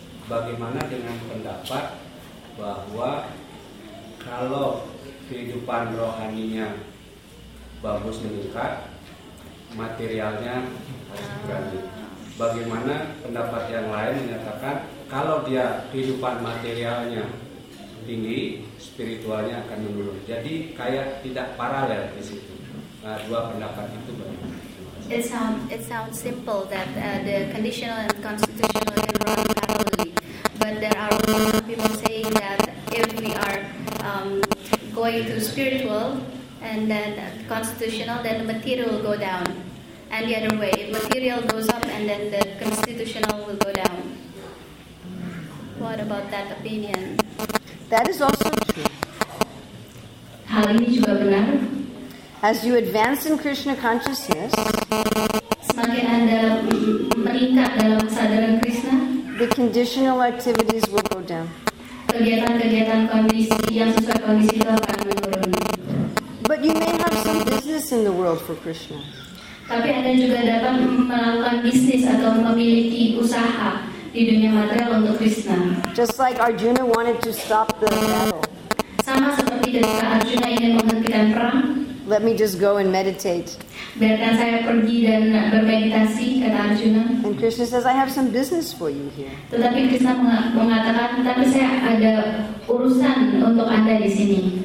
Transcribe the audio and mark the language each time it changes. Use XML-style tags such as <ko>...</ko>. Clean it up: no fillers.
<id>Bagaimana dengan pendapat bahwa kalau kehidupan rohaninya bagus meningkat, materialnya harus berganti. Bagaimana pendapat yang lain menyatakan kalau dia kehidupan materialnya tinggi, spiritualnya akan menurun. Jadi kayak tidak paralel di situ. Nah, dua pendapat itu bagaimana?</id> <en>It sounds simple that the conditional and constitutional can run parallelly, but there are people saying that if we are going to spiritual and then constitutional, then the material will go down. And the other way, if material goes up and then the constitutional will go down. What about that opinion? That is also true.</en> <id>Hal ini juga benar.</id> <en>As you advance in Krishna consciousness,</en> <id>semakin Anda meningkat dalam kesadaran Krishna,</id> <en>the conditional activities will go down.</en> <id>Kegiatan-kegiatan kondisi yang sesuai kondisi itu akan menurun.</id> <en>But you may have some business in the world for Krishna.</en> <id>Tapi Anda juga dapat melakukan bisnis atau memiliki usaha di dunia material untuk Krishna.</id> <en>Just like Arjuna wanted to stop the battle.</en> <id>Sama seperti ketika Arjuna ingin menghentikan perang.</id> <en>Let me just go and meditate.</en> <id>Biarkan saya pergi dan bermeditasi, kata Arjuna.</id> <en>And Krishna says, I have some business for you here.</en> <id>Tetapi Krishna mengatakan, tapi saya ada urusan untuk Anda di sini.</id>